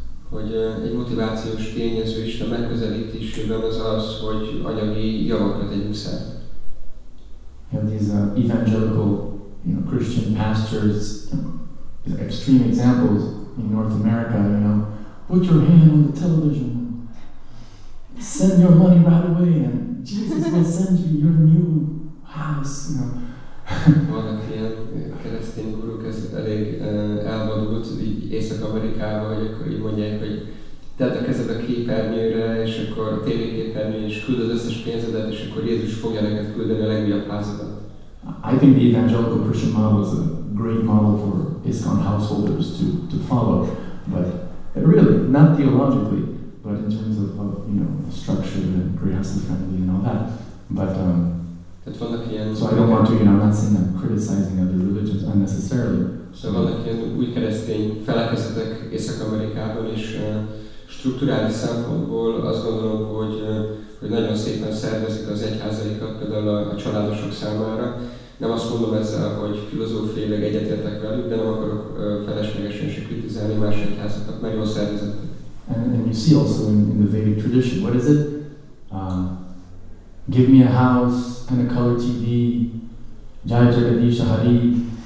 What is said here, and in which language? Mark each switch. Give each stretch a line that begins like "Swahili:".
Hungarian: Hogy egy motivációs tényező is a megközelítésében az, hogy anyagi javakra tegyünk szert.
English: You have these evangelical, you know, Christian pastors, you know, extreme examples in North America, you know, put your hand on the television, send your money right away, and Jesus will send you your new house, you know.
Hungarian: Vannak ilyen keresztény guruk, ez elég elvadult Észak-Amerikában, hogy akkor így mondják, hogy tedd a kezed a képernyőre, és akkor a tévéképernyőre, és küld az összes pénzedet, és akkor Jézus fogja neked küldeni a legjobb házadat.
English: I think the evangelical Christian model is a great model for ISKCON householders to follow, but really, not theologically, but in terms of you know, structure and grihasta family and all that. But, so I don't want to, you know, I'm not saying I'm criticizing other religions unnecessarily.
Hungarian: So vannak ilyen új keresztény felekezetek Észak-Amerikában is, Strukturális szempontból azt gondolom, hogy, hogy nagyon szépen szervezik az egyházaikat, például a családosok számára. Nem azt mondom ezzel, hogy filozófiailag egyetértek velük, de nem akarok feleslegesen se kritizálni más egyházakat, nagyon szervezettek.
English: And you see also in the Vedic tradition, what is it? Give me a house and a color TV, Jai Jagadisha Hari.